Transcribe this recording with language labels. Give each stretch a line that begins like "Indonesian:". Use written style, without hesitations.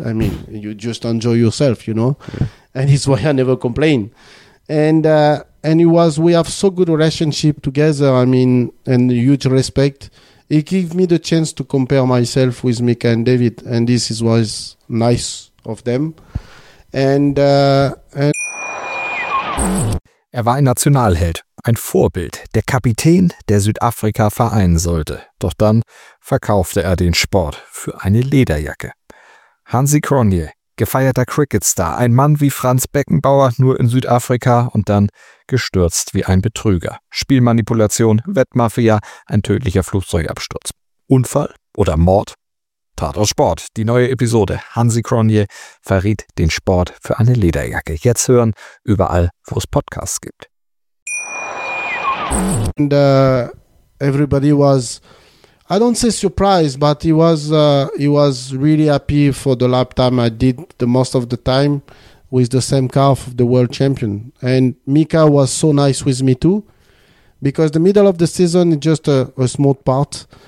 English: I mean, you just enjoy yourself, you know, and it's why I never complain. And it was, we have so good relationship together. I mean, and huge respect. It gave me the chance to compare myself with Mika and David. And this is why it's nice of them. And
German: er war ein Nationalheld, ein Vorbild, der Kapitän, der Südafrika vereinen sollte. Doch dann verkaufte er den Sport für eine Lederjacke. Hansi Cronje, gefeierter Cricketstar, ein Mann wie Franz Beckenbauer nur in Südafrika und dann gestürzt wie ein Betrüger. Spielmanipulation, Wettmafia, ein tödlicher Flugzeugabsturz. Unfall oder Mord? Tatort Sport, die neue Episode. Hansi Cronje verriet den Sport für eine Lederjacke. Jetzt hören, überall, wo es Podcasts gibt.
English: And everybody was, I don't say surprised, but he was really happy for the lap time I did the most of the time with the same car of the world champion. And Mika was so nice with me too, because the middle of the season is just a small part.